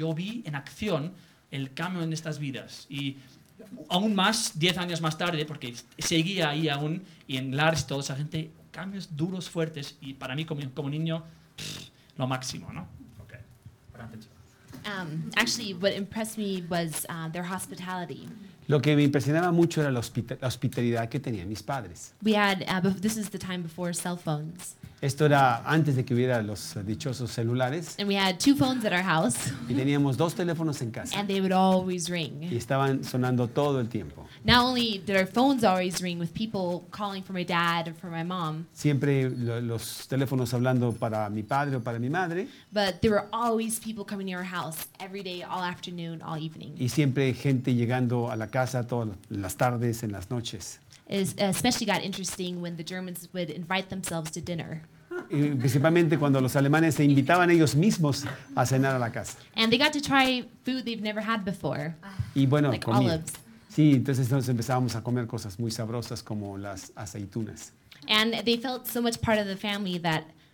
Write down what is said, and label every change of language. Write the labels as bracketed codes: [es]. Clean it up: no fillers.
[es] Yo vi en acción el cambio en estas vidas. Y aún más, 10 años más tarde, porque seguía ahí aún, y en Lars, toda esa gente, cambios duros, fuertes, y para mí como niño, lo máximo, ¿no? [en] Okay. Actually, what impressed me was their hospitality. [es] Lo que me impresionaba mucho era la hospitalidad que tenían mis padres. [en] We had, this is the time before cell phones. [es] Esto era antes de que hubiera los dichosos celulares. [en] And we had two phones at our house. [es] Y teníamos dos teléfonos en casa. [en] And they would always ring. [es] Y estaban sonando todo el tiempo. [en] Not only did our phones always ring with people calling for my dad or for my mom. [es] Siempre los teléfonos hablando para mi padre o para mi madre. [en] But there were always people coming to our house every day, all afternoon, all evening. [es] Y siempre gente llegando a la casa todas las tardes, en las noches. [en] It especially got interesting when the Germans would invite themselves to dinner. [es] Y principalmente cuando los alemanes se invitaban ellos mismos a cenar a la casa. [en] And they got to try food they've never had before. [es] Y bueno, [en] like [es] comida. [en] Olives. [es] Sí, entonces nos empezábamos a comer cosas muy sabrosas como las aceitunas. [en] And they felt so much part of the family that.